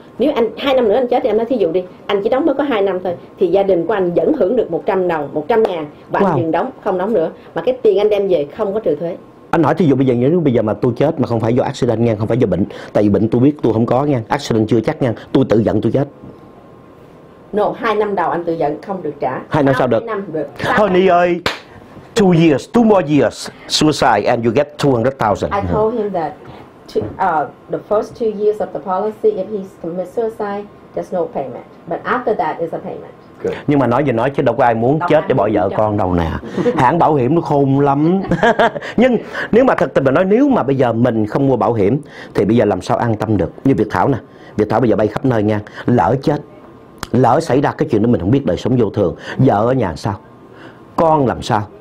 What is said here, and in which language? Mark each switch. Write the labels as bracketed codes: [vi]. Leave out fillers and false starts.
[vi] Nếu anh 2 năm nữa anh chết thì em nói thí dụ đi, anh chỉ đóng mới có 2 năm thôi thì gia đình của anh vẫn hưởng được 100 đồng, 100 ngàn và wow. Anh dừng đóng, không đóng nữa mà cái tiền anh đem về không có trừ thuế. Anh hỏi thí dụ bây giờ mà tôi chết mà không phải do accident nha, không phải do bệnh, tại vì bệnh tôi biết tôi không có nha, accident chưa chắc nha, tôi tự giận tôi chết. No, 2 năm đầu anh tự giận không được trả. 2 năm sau được. 2 năm được. [en] Honey ơi, 2 years, 2 more years, suicide and you get 200,000. I told him that the first 2 years of the policy, if he commits suicide, there's no payment. But after that is a payment. Good. [vi] Nhưng mà nói gì nói chứ đâu có ai muốn đâu chết để bỏ vợ con đâu nè. Hãng bảo hiểm nó khôn lắm. Nhưng nếu mà thật tình mà nói, nếu mà bây giờ mình không mua bảo hiểm thì bây giờ làm sao an tâm được? Như Việt Thảo nè, Việt Thảo bây giờ bay khắp nơi nha, lỡ chết, lỡ xảy ra cái chuyện đó mình không biết, đời sống vô thường, vợ ở nhà sao, con làm sao?